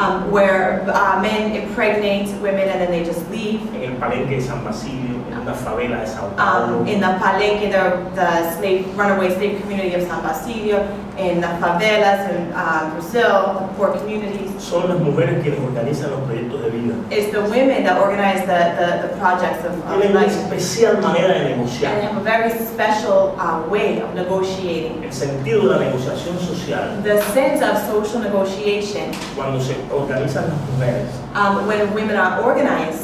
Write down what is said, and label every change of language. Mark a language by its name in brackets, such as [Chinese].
[English] Where men impregnate women and then they just leave. [Spanish] En el palenque de San Basilio, en una favela de Sao Paulo. [English] In the palenque, the slave, runaway slave community of San Basilio. In the favelas in Brazil, the poor communities. [Spanish] Son las mujeres quienes organizan los proyectos de vida. [English] It's the women that organize the projects of life. [Spanish] Tienen una especial manera de negociar. [English] And they have a very special way of negotiating. [Spanish] El sentido de la negociación social. [English] The sense of social negotiation. [Spanish] Cuando se organizan las mujeres. [English] When women are organized.